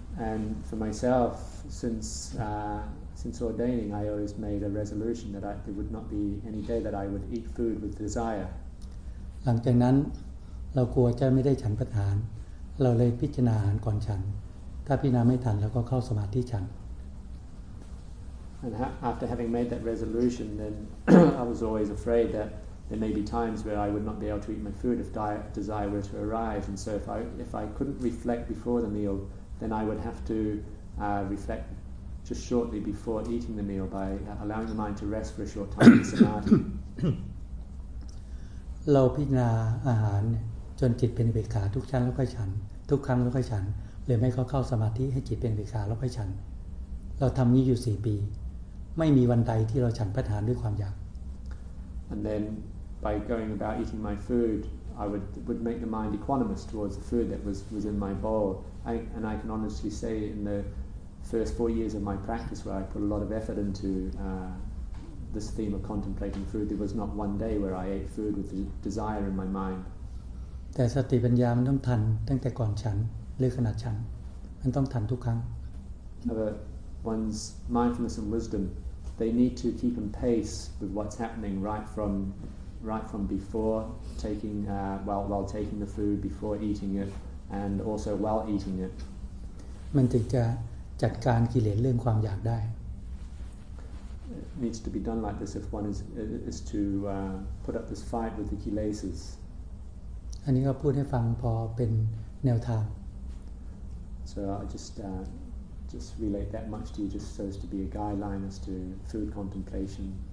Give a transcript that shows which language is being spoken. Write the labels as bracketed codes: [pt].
[en] And for myself since ordaining I always made a resolution that there would not be any day that I would eat food with desire [th] หลังจากนั้นเรากลัวจะไม่ได้ฉันพระทานเราเลยพิจารณาอาหารก่อนฉันถ้าพิจารณาไม่ทันเราก็เข้าสมาธิฉัน [en] And after having made that resolution, then I was always afraid that there may be times where I would not be able to eat my food if desire were to arise. And so if I couldn't reflect before the meal, then I would have to reflect just shortly before eating the meal by allowing the mind to rest for a short time in samadhi. [th] เราพิจารณาอาหารจนจิตเป็นอุเบกขาทุกชั้นแล้วค่อยฉันทุกครั้งแล้วค่อยฉันหรือไม่ก็เข้าสมาธิให้จิตเป็นอุเบกขาแล้วค่อยฉันเราทำนี้อยู่4ปีไม่มีวันใดที่เราฉันพระทานด้วยความอยาก [en] And then by going about eating my food I would make the mind equanimous towards the food that was in my bowl I can honestly say in the first 4 years of my practice where I put a lot of effort into this theme of contemplating food there was not one day where I ate food with desire in my mind [th] แต่สติปัญญามันต้องทันตั้งแต่ก่อนฉันหรือขณะฉันมันต้องทันทุกครั้ง [en] One's mindfulness and wisdom, they need to keep in pace with what's happening right from before taking while taking the food, before eating it, and also while eating it. [th] มันถึงจะจัดการกิเลสเรื่องความอยากได้ [en] It needs to be done like this if one is to put up this fight with the kilesas. [th] อันนี้ก็พูดให้ฟังพอเป็นแนวทาง [en] So I justJust relate that much to you, just so as to be a guideline as to food contemplation.